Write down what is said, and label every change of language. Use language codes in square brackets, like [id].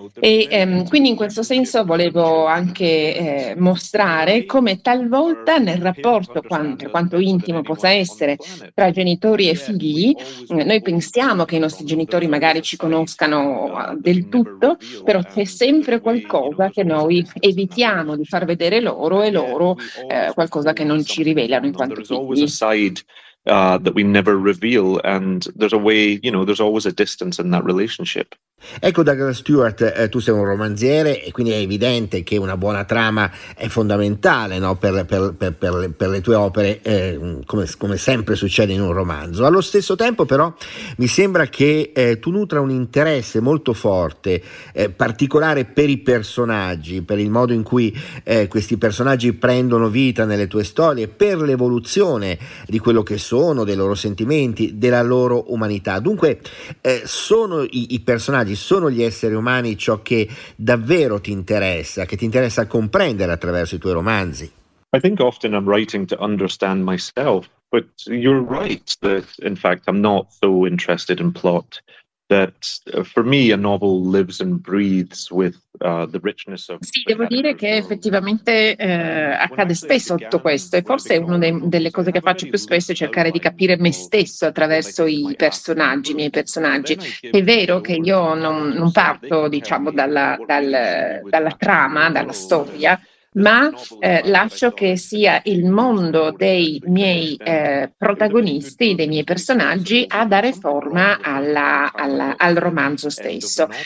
[it] E quindi in questo senso volevo anche mostrare come talvolta nel rapporto, quanto intimo possa essere tra genitori e figli, noi pensiamo che i nostri genitori magari ci conoscano del tutto, però c'è sempre qualcosa che noi evitiamo di far vedere loro, e loro qualcosa che non ci rivelano in quanto figli. [en] That we never reveal, and there's a way, you know, there's always a distance in that relationship. [it] Ecco, Douglas Stewart, tu sei un romanziere e quindi è evidente che una buona trama è fondamentale, no? per le tue opere, come sempre succede in un romanzo. Allo stesso tempo però mi sembra che tu nutra un interesse molto forte, particolare per i personaggi, per il modo in cui questi personaggi prendono vita nelle tue storie, per l'evoluzione di quello che sono, dei loro sentimenti, della loro umanità. Dunque sono i personaggi, sono gli esseri umani ciò che davvero ti interessa, che ti interessa comprendere attraverso i tuoi romanzi? [en] I think often I'm writing to understand myself, but you're right that in fact I'm not so interested in plot, that for me a novel lives and breathes with the richness of... [it] Sì, devo dire che effettivamente accade spesso tutto questo, e forse è una delle cose che faccio più spesso, è cercare di capire me stesso attraverso i personaggi, i miei personaggi. È vero che io non parto, diciamo, dalla trama, dalla storia, ma lascio che sia il mondo dei miei protagonisti, dei miei personaggi, a dare forma al romanzo stesso.